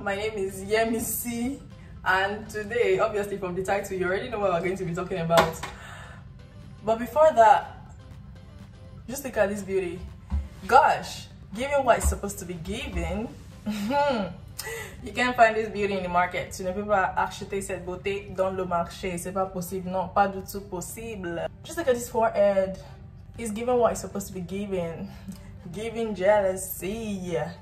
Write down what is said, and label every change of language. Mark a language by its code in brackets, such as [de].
[en] My name is Yemisi, and today, obviously from the title, you already know what we're going to be talking about. But before that, just look at this beauty. Gosh, given what it's supposed to be given, you can't find this beauty in the market. You know, people are [fr] acheter cette beauté dans le marché. C'est pas possible, non, pas du tout possible. [en] Just look at this forehead. It's given what it's supposed to be given. Giving jealousy.